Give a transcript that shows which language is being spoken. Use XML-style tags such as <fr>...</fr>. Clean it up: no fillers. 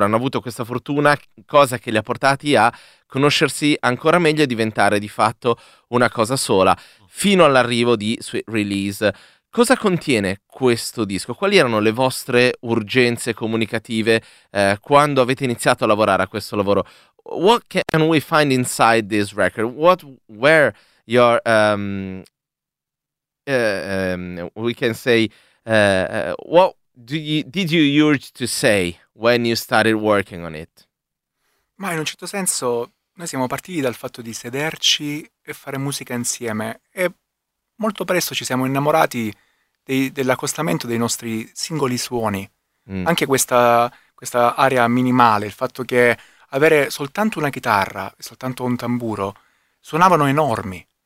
<it>Hanno avuto questa fortuna, cosa che li ha portati a conoscersi ancora meglio e diventare di fatto una cosa sola fino all'arrivo di Sweet Release. Cosa contiene questo disco? Quali erano le vostre urgenze comunicative quando avete iniziato a lavorare a questo lavoro?</it> <en>What can we find inside this record? What did you urge to say when you started working on it?</en> <it>Ma in un certo senso noi siamo partiti dal fatto di sederci e fare musica insieme e molto presto ci siamo innamorati dell'accostamento dei nostri singoli suoni. Mm. Anche questa area minimale, il fatto che avere soltanto una chitarra e soltanto un tamburo suonavano enormi.</it>